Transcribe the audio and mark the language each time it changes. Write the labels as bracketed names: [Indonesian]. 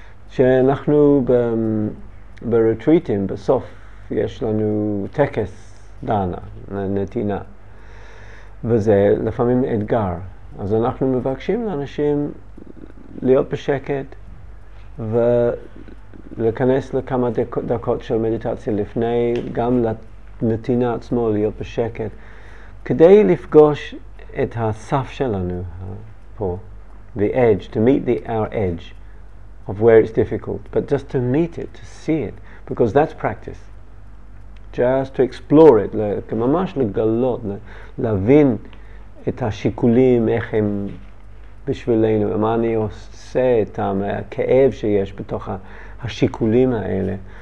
[Hebrew] שאנחנו ברטריטים, בסוף יש לנו טקס דנה, נתינה. וזה לפעמים אתגר. אז אנחנו מבקשים לאנשים להיות בשקט ולהיכנס לכמה דקות של מדיטציה לפני, גם לנתינה עצמו להיות בשקט. כדי לפגוש את הסף שלנו פה, [English] the edge, to meet our edge of where it's difficult, but just to meet it, to see it, because that's practice. Just to explore it, [Hebrew] ממש לגלות, להבין את השיקולים, איך הם בשבילנו, מה אני עושה איתם, הכאב שיש בתוך השיקולים האלה.